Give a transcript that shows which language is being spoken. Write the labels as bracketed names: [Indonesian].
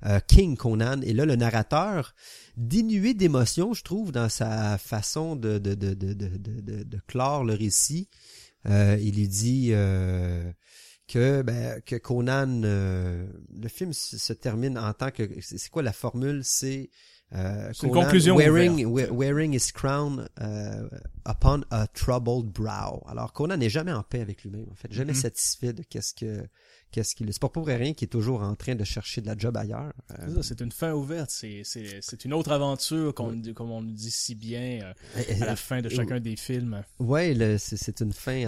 [French] King Conan, et là le narrateur dénué d'émotion, je trouve, dans sa façon de clore le récit, il lui dit que Conan, le film se termine en tant que, c'est quoi la formule, c'est Conan, une conclusion [English] wearing his crown upon a troubled brow. [French] Alors Conan n'est jamais en paix avec lui-même, en fait, jamais satisfait de qu'est-ce qu'il c'est pas pour rien qu'il est toujours en train de chercher de la job ailleurs. C'est une fin ouverte, c'est une autre aventure comme on le dit si bien à la fin de chacun des films. Ouais, c'est une fin.